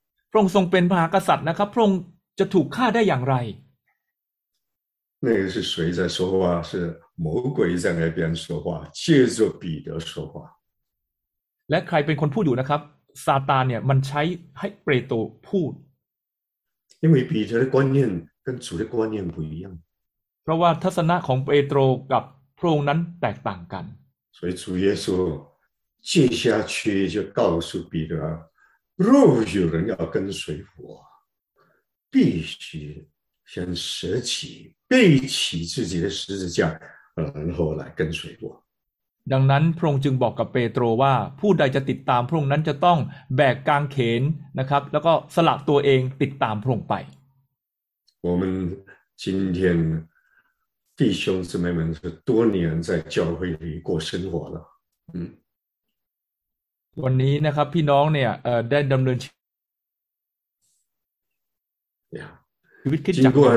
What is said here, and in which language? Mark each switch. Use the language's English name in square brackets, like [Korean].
[Thai] พระองค์ทรงเป็นมหากษัตริย์นะครับพระองค์จะถูกฆ่าได้อย่างไร นั่นคือใครที่พูดว่าคือ [Chinese] 魔鬼在那边说话借着彼得说话 [Thai] และใครเป็นคนพูดอยู่นะครับซาตานเนี่ยมันใช้ให้เปโตรพูด [Chinese] 因为彼得的观念跟主的观念不一样， [Thai] เพราะว่าทัศนะของเปโตรกับพระองค์นั้นแตกต่างกัน [Chinese] 所以主耶稣接下去就告诉彼得，若有人要跟随我，必须先舍己，背起自己的十字架，然后来跟随我 [Thai] ดังนั้นพระองค์จึงบอกกับเปโตรว่าผู้ใดจะติดตามพระองค์นั้นจะต้องแบกกางเขนนะครับแล้วก็สละตัวเองติดตามพระองค์ไป [Chinese] 我们今天弟兄姊妹们是多年在教会里过生活了 [Thai] วันนี้นะครับพี่น้องเนี่ยได้ดำเนินชีวิตคริสตจักร